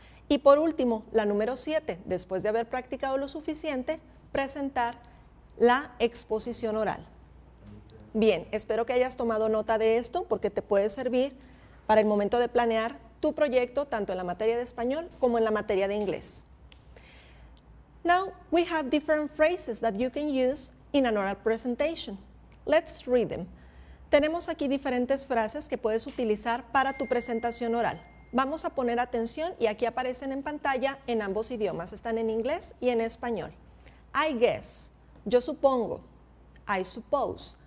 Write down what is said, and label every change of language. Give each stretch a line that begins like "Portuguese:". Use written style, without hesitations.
Spanish: Y por último, la número 7, después de haber practicado lo suficiente, presentar la exposición oral. Bien, espero que hayas tomado nota de esto porque te puede servir para el momento de planear tu proyecto, tanto en la materia de español como en la materia de inglés.
English: Now, we have different phrases that you can use in an oral presentation. Let's read them.
Spanish: Tenemos aquí diferentes frases que puedes utilizar para tu presentación oral. Vamos a poner atención y aquí aparecen en pantalla en ambos idiomas. Están en inglés y en español.
English: I guess,
Spanish: yo supongo.
English: I suppose,